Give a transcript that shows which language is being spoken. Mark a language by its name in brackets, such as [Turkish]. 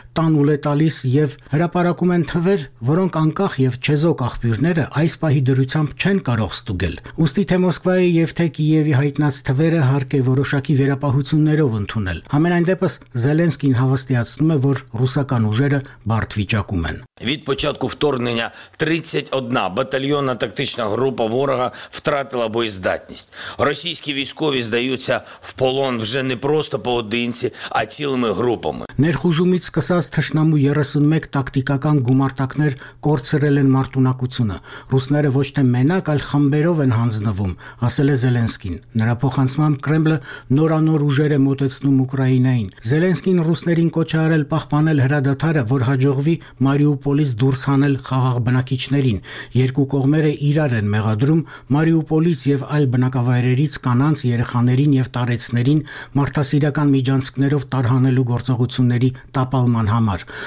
[Armenian] տան ուլ է տալիս և հրապարակում են թվեր, որոնք անկախ և չեզոք աղբյուրները այս պահի դրությամբ չեն կարող ստուգել։ Ուստի թե Մոսկվայի և թե Կիևի հայտնած թվերը հարկ է որոշակի վերապահություններով ընդունել։ Համենայն դեպս Զելենսկին հավաստիացնում է, որ ռուսական ուժերը բարդ վիճակում են։ [Ukrainian] Від початку вторгнення 31 батальйонна тактична група ворога втратила боєздатність. Російські військові здаються в полон вже не просто поодинці, а цілими групами. [Armenian] Ներխուժումից սկսած թշնամու 31 տակտիկական գումարտակներ կորցրել են մարտունակությունը։ Ռուսները ոչ թե մենակ, այլ խմբերով են հանձնվում, ասել է Զելենսկին։ Նրա փոխանցմամբ Կրեմլը նորանոր ուժեր է մոտեցնում Ուկրաինային։ Զելենսկին ռուսներին կոչ է արել պահպանել հրադադարը, որ հաջողվի Մարիու Մարիուպոլից դուրս հանել խաղաղ բնակիչներին։ Երկու կողմերը իրար են մեղադրում Մարիուպոլից և այլ բնակավայրերից կանանց, երեխաներին և տարեցներին մարդասիրական միջանցքներով տարհանելու գործողությունների տապալման համար։